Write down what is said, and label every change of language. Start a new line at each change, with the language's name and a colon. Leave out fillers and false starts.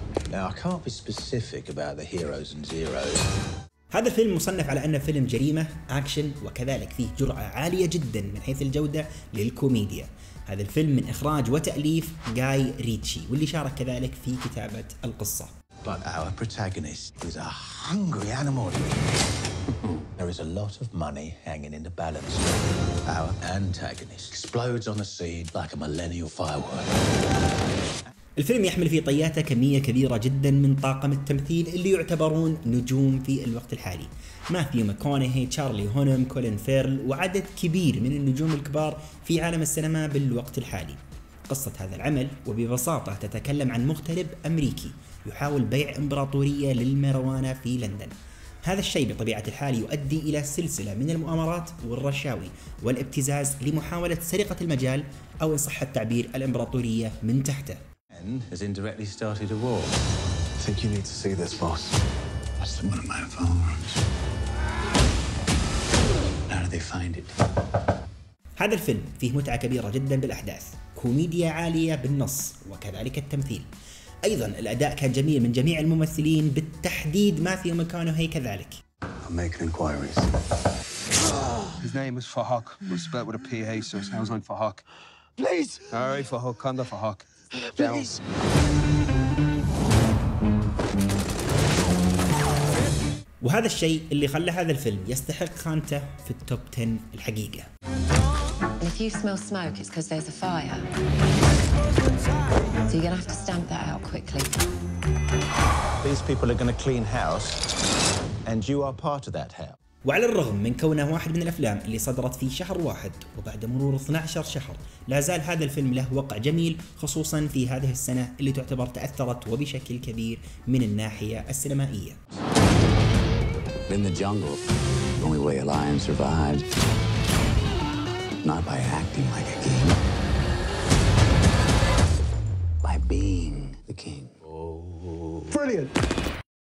English: Now I can't be specific about the heroes and zeros.
Arabic: هذا الفيلم مصنف على أنه فيلم جريمة أكشن، وكذلك فيه جرعة عالية جدا من حيث الجودة للكوميديا. هذا الفيلم من إخراج وتأليف جاي ريتشي، واللي شارك كذلك في كتابة القصة.
English: But our protagonist is a hungry animal. There is a lot of money hanging in the balance. Our antagonist explodes on the scene like a millennial firework.
Arabic: الفيلم يحمل في طياته كمية كبيرة جدا من طاقم التمثيل اللي يعتبرون نجوم في الوقت الحالي. ماثيو ماكونهي، تشارلي هونم، كولين فيرل، وعدد كبير من النجوم الكبار في عالم السينما بالوقت الحالي. قصة هذا العمل وببساطة تتكلم عن مغترب أمريكي يحاول بيع إمبراطورية للماريجوانا في لندن. هذا الشيء بطبيعة الحال يؤدي إلى سلسلة من المؤامرات والرشاوي والابتزاز لمحاولة سرقة المجال، أو إن صح التعبير، الإمبراطورية من تحته.
English: Has indirectly started a war. I think you need to see this, boss. That's one of my informants. How did they find it?
Arabic: هذا الفيلم فيه متعة كبيرة جدا بالأحداث، كوميديا عالية بالنص وكذلك التمثيل. أيضا الأداء كان جميل من جميع الممثلين، بالتحديد ماثيو ماكونهي كذلك.
English: I'm making inquiries. His name is Fahok. We spelled with a PH, so it sounds like Fahok. Please. All right, Fahok. Kind of Fahok.
Arabic: وهذا الشيء اللي خلى هذا الفيلم يستحق خانته في التوب 10 الحقيقة.
English: If you smell smoke, it's because there's a fire. So you're gonna have to stamp that out quickly. These people are gonna clean house, and you are part of that house.
Arabic: وعلى الرغم من كونه واحد من الأفلام اللي صدرت في شهر واحد، وبعد مرور 12 شهر لا زال هذا الفيلم له وقع جميل، خصوصا في هذه السنة اللي تعتبر تأثرت وبشكل كبير من الناحية السينمائية.
English: In the jungle, the only way a lion survived, not by acting like a king, by being the king. Brilliant.